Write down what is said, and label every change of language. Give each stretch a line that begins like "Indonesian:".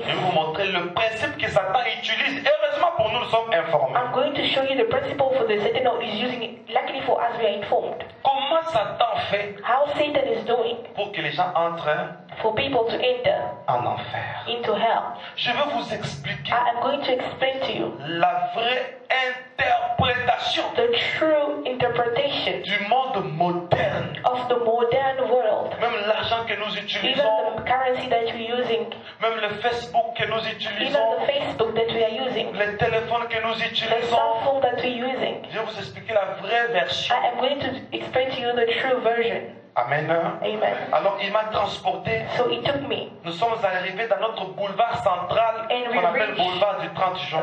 French: Je vais vous montrer le principe que Satan utilise. Heureusement pour nous, nous sommes informés.
English: I'm going to show you the principle for the Satan is using. Luckily for us, we are informed.
French: Comment Satan fait?
English: How Satan is doing?
French: Pour que les gens entrent.
English: For people to enter.
French: En enfer.
English: Into hell.
French: Je vais vous expliquer.
English: I am going to explain to you.
French: La vraie interprétation.
English: The true interpretation.
French: Du monde moderne.
English: Of the modern world.
French: Même l'argent que nous utilisons.
English: Even the currency that we're using.
French: Même le Facebook que nous utilisons.
English: Even the Facebook that we are using.
French: Les téléphones que nous utilisons.
English: The cell phone that we're using.
French: Je vais vous expliquer la vraie version.
English: I am going to explain to you the true version. Amen. Amen.
French: Alors il m'a transporté.
English: So he took me.
French: Nous sommes arrivés dans notre boulevard central qu'on appelle boulevard du 30 juin.